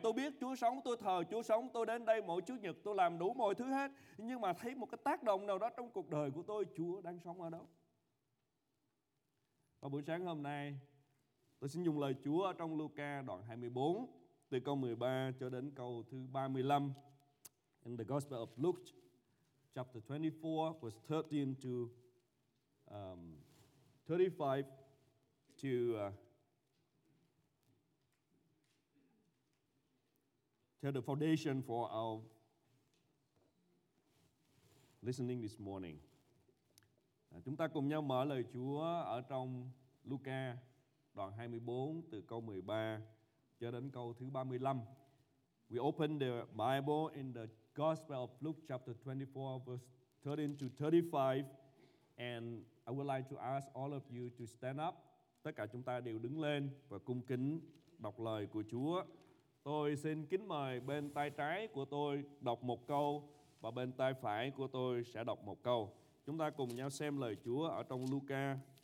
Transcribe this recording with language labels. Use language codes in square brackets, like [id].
[vi] Tôi biết Chúa sống, tôi thờ Chúa sống, tôi đến đây mỗi Chủ nhật, tôi làm đủ mọi thứ hết. Nhưng mà thấy một cái tác động nào đó trong cuộc đời của tôi, Chúa đang sống ở đâu? Và buổi sáng hôm nay, tôi xin dùng lời Chúa ở trong Luca đoạn 24, từ câu 13 cho đến câu thứ 35. [en] In the Gospel of Luke, chapter 24, verse 13 to 35 to 'til the foundation for our listening this morning. [vi] Chúng ta cùng nhau mở lời Chúa ở trong Luca đoạn 24 từ câu 13 cho đến câu thứ 35. [en] We open the Bible in the Gospel of Luke chapter 24 verse 13 to 35, and I would like to ask all of you to stand up. [vi] Tất cả chúng ta đều đứng lên và cung kính đọc lời của Chúa. Tôi xin kính mời bên tay trái của tôi đọc một câu, và bên tay phải của tôi sẽ đọc một câu. Chúng ta cùng nhau xem lời Chúa ở trong Luca.